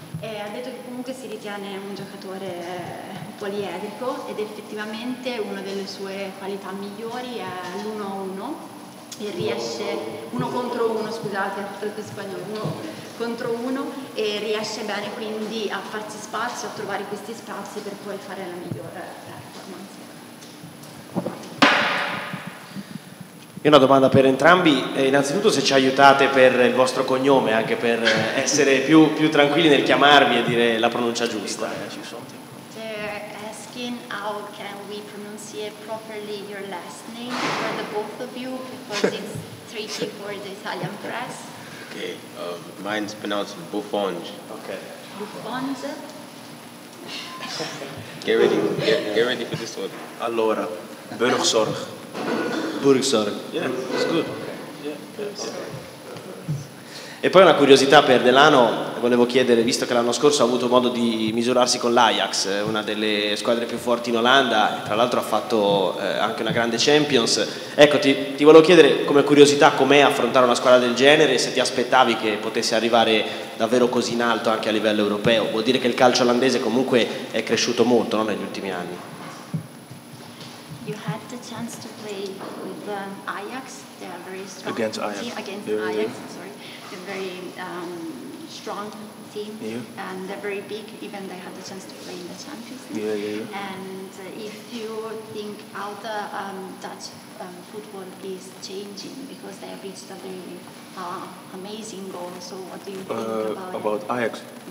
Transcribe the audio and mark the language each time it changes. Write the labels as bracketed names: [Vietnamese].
[Italian] Ha detto che comunque si ritiene un giocatore poliedrico ed effettivamente una delle sue qualità migliori è l'1-1 e riesce uno contro uno e riesce bene quindi a farsi spazio, a trovare questi spazi per poi fare la migliore performance. E una domanda per entrambi, innanzitutto se ci aiutate per il vostro cognome, anche per essere più tranquilli nel chiamarvi e dire la pronuncia giusta. [English] They're asking how can we pronounce properly your last name for the both of you, because it's tricky for the Italian press. Okay, mine's pronounced Buffonge. Okay. Buffonge? Get ready for this one. [Italian] Allora, Bürgsorg. [English] Yeah, it's good. [Italian] E poi una curiosità per Delano, volevo chiedere, visto che l'anno scorso ha avuto modo di misurarsi con l'Ajax, una delle squadre più forti in Olanda, tra l'altro ha fatto anche una grande Champions, ecco ti volevo chiedere come curiosità com'è affrontare una squadra del genere, se ti aspettavi che potesse arrivare davvero così in alto anche a livello europeo, vuol dire che il calcio olandese comunque è cresciuto molto, no, negli ultimi anni. [English] Chance to play with Ajax, they are very strong. Against Ajax. They're a very strong team, yeah. And they're very big, even they had the chance to play in the Champions League. Yeah. And if you think how the Dutch football is changing, because they have reached a very amazing goal, so what do you think about Ajax?